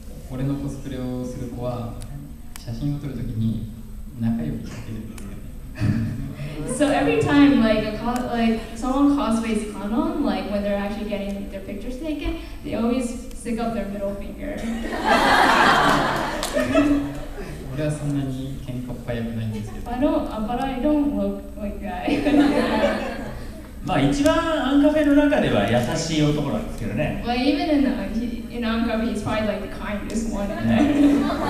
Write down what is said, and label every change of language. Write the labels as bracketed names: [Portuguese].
[Japanese] 俺のコスプレをする子は写真を撮るときに仲良くしてるんですよね。 [English] So every time like someone cosplays Kanon, like when they're actually getting their pictures taken, they always stick up their middle finger. [Japanese] 俺はそんなに喧嘩っ早くないんですけど。 [English] But I don't look like that. [Japanese] まあ一番アンカフェの中では優しい男なんですけどね。 [English] Well, even in in アンカフェ he's probably like the kindest one. [Japanese] ね。